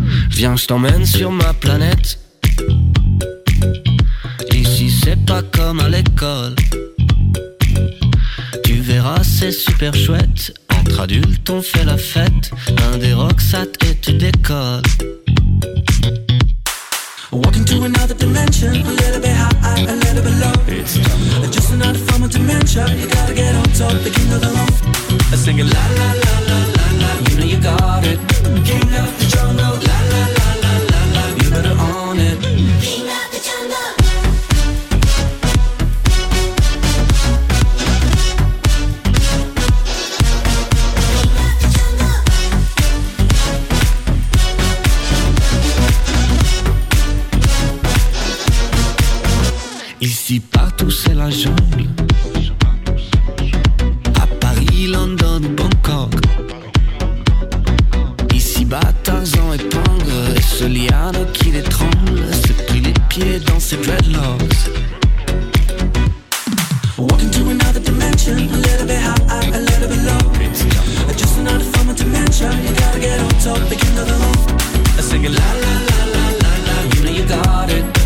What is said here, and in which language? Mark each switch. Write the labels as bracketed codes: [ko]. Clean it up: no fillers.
[fr] Viens, je t'emmène sur ma planète. Ici, c'est pas comme à l'école. Tu verras, c'est super chouette. Entre adultes, on fait la fête. Un des rocks, ça te décolle. [en] Walking to another dimension. A little bit high, a little bit low. It's just another form of dementia. You gotta get on top, the king of the love. Sing it la la la la la la. You know you got it. King of the jungle. La la la la la la. You better on it. King of the jungle. King of the jungle. [fr] Ici partout c'est la jungle. À Paris, London, Bangkok. Tarzan et Pangre, et ce liane qui les tremble, se plie les pieds dans ses dreadlocks. [en] Walking to another dimension, a little bit high, a little bit low. Just another form of dementia, you gotta get on top, the king of the low. I sing it la la la la la la, you know you got it.